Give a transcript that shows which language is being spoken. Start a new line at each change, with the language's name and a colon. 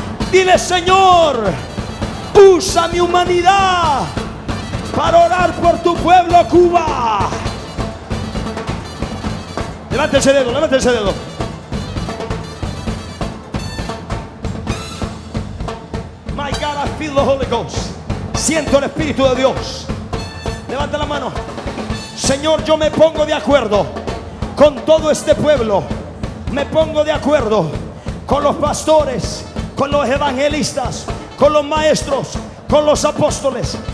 Spanish: Dile: Señor, usa mi humanidad para orar por tu pueblo Cuba. Levante ese dedo, levante ese dedo.
English: My God, I feel the Holy Ghost.
Spanish: Siento el Espíritu de Dios. Levanta la mano. Señor, yo me pongo de acuerdo con todo este pueblo. Me pongo de acuerdo con los pastores, con los evangelistas, con los maestros, con los apóstoles.